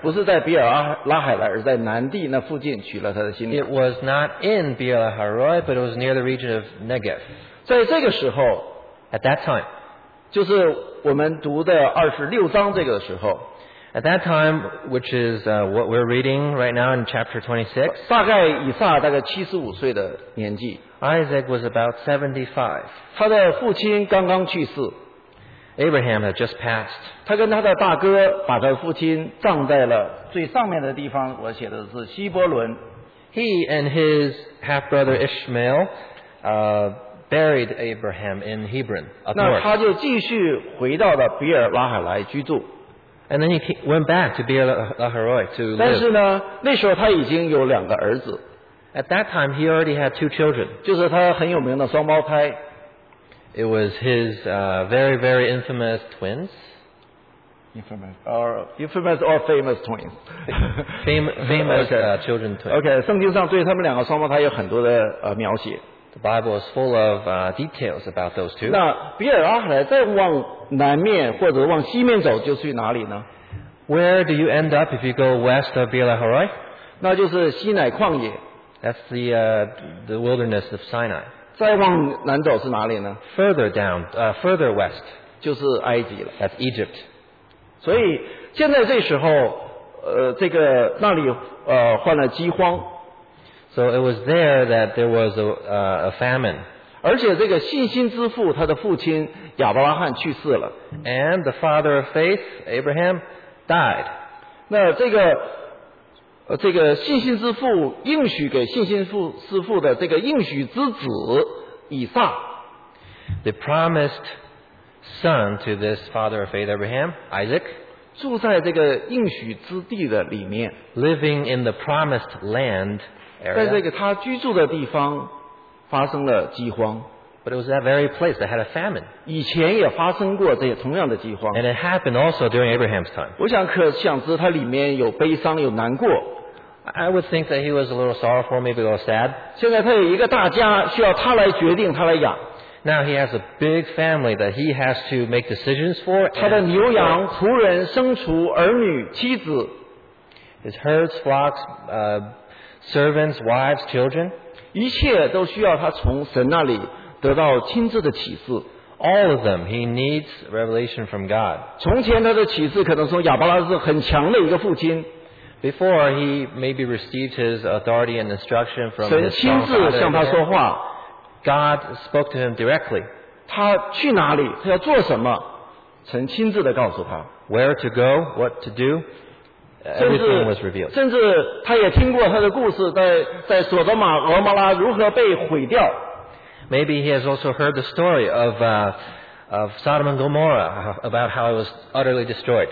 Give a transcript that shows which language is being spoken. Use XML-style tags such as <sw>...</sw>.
<zh>不是在比尔拉海莱，而在南地那附近娶了他的新娘。</zh> <en>It was not in Beer Lahai-Roi, but it was near the region of Negev.</en> <zh>在这个时候</zh> <en>，at that time.</en> <zh>就是我们读的二十六章这个时候</zh> <en>，at that time, which is what we're reading right now in chapter 26,</en> <zh>大概以撒大概七十五岁的年纪</zh> <en>，Isaac was about 75.</en> <zh>他的父亲刚刚去世</zh> <en>，Abraham had just passed.</en> <zh>他跟他的大哥把他父亲葬在了最上面的地方，我写的是希伯伦。</zh> <en>He and his half brother Ishmael, buried Abraham in Hebron.</en> <zh>那他就继续回到了比尔拉海莱居住。</zh> <en>And then he went back to Beer Lahai-Roi to live.</en> <zh>但是呢，那时候他已经有两个儿子。</zh> <en>At that time, he already had two children.</en> <zh>就是他很有名的双胞胎。</zh> <en>It was his very, very infamous twins. Infamous or famous twins. famous children twins.</en> <zh>Okay, 圣经上对他们两个双胞胎有很多的描写。</zh> <en>The Bible is full of details about those two.</en> <zh>那比尔阿海莱再往南面或者往西面走就去哪里呢</zh> <en>？Where do you end up if you go west of Beer Lahai-Roi?</en> <zh>那就是西乃旷野。</zh> <en>That's the wilderness of Sinai.</en> <zh>再往南走是哪里呢</zh> <en>？Further down, further west.</en> <zh>就是埃及了。</zh> <en>That's Egypt.</en> <zh>所以现在这时候，这个那里患了饥荒。</zh> <en>So it was there that there was a famine.</en> <zh>而且这个信心之父他的父亲亚伯拉罕去世了。</zh> <en>And the father of faith, Abraham, died.</en> <zh>那这个这个信心之父应许给信心之父的这个应许之子以撒</zh> <en>The promised son to this father of faith Abraham, Isaac</en> <zh>住在这个应许之地的里面</zh> <en>Living in the promised land area</en> <zh>在这个他居住的地方发生了饥荒</zh> <en>But it was that very place that had a famine</en> <zh>以前也发生过这同样的饥荒</zh> <en>And it happened also during Abraham's time</en> <zh>我想可想知他里面有悲伤有难过</zh> <en>I would think that he was a little sorrowful, maybe a little sad</en> <zh>现在他有一个大家需要他来决定他来养</zh> <en>Now he has a big family that he has to make decisions for</en> <zh>他的牛羊仆人牲畜儿女妻子</zh> <en>His herds, flocks, servants, wives, children</en> <zh>一切都需要他从神那里得到亲自的启示</zh> <en>All of them, he needs revelation from God</en> <zh>从前他的启示可能说亚伯拉是很强的一个父亲</zh> <en>Before he maybe received his authority and instruction from his</en> <zh>father 神亲自向他说话</zh> <en>God spoke to him directly</en> <zh>他去哪里他要做什么神亲自地告诉他</zh> <en>Where to go, what to do Everything was revealed.</en> <zh>甚至他也听过他的故事在索多玛俄摩拉如何被毁掉</zh> <en>Maybe he has also heard the story of Sodom and Gomorrah about how it was utterly destroyed.</en>